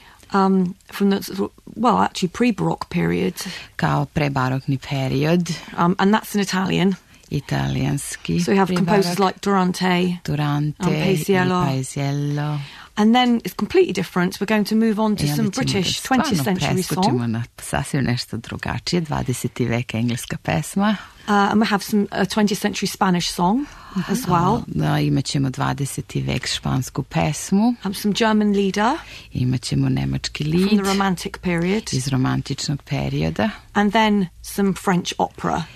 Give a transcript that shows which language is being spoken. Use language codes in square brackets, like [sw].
[en] From the, well, actually pre-baroque period. [sr] Kao pre-barokni period. [en] And that's in Italian. [sr] Italianski. [en] So we have composers like Durante Paisiello. Paisiello. And then it's completely different. We're going to move on to some British 20th century song. [sr] Preskočimo na sasvim nešto drugačije, 20. vek engleska pesma. [en] And we have some 20th century Spanish song as well. [sr] Da, imaćemo 20. vek špansku pesmu. [en] And some German Lieder. [sr] Imaćemo nemački lied. [en] From the Romantic period. [sr] Iz romantičnog perioda. [en] And then some French opera.